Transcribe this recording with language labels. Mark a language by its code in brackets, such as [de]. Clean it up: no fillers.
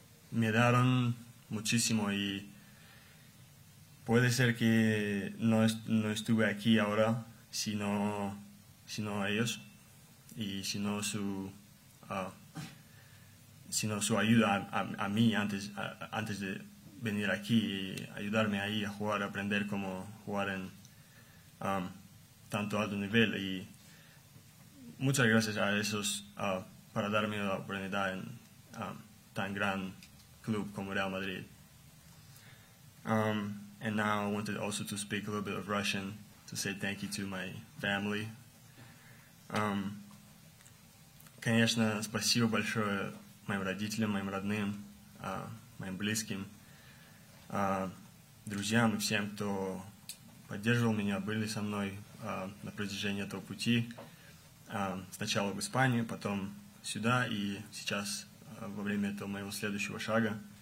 [es] Me daron muchísimo y puede ser que no estuve aquí ahora sino ellos y sino su ayuda a mí antes de venir aquí y ayudarme ahí a jugar, a aprender cómo jugar en tanto alto nivel. Y muchas gracias a esos para darme la oportunidad en tan gran club como Real Madrid. [en] And now I wanted also to speak a little bit of Russian to say thank you to my family. [ru] Конечно, спасибо большое моим родителям, моим родным, моим близким, друзьям и всем, кто поддерживал меня, были со мной на протяжении этого пути. Сначала в Испании, потом сюда и сейчас во время этого моего следующего шага.